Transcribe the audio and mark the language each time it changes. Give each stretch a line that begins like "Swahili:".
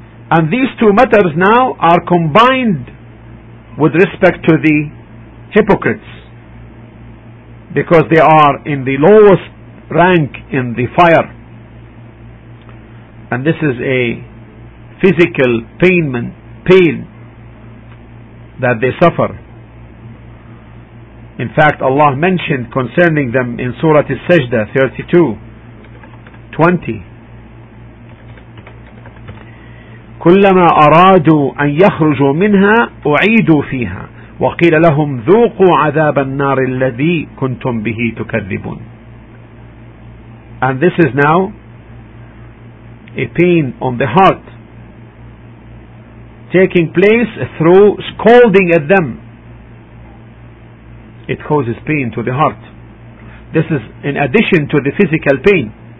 English: And these two matters now are combined with respect to the hypocrites, because they are in the lowest rank in the fire, and this is a physical pain that they suffer. In fact, Allah mentioned concerning them in Surah Al-Sajda 32:20,
Arabic: كلما أرادوا أن يخرجوا منها أعيدوا فيها وَقِيلَ لَهُمْ ذُوقُوا عَذَابَ النَّارِ الَّذِي كُنْتُمْ بِهِ تُكَذِّبُونَ.
English: And this is now a pain on the heart taking place through scolding at them. It causes pain to the heart. This is in addition to the physical pain.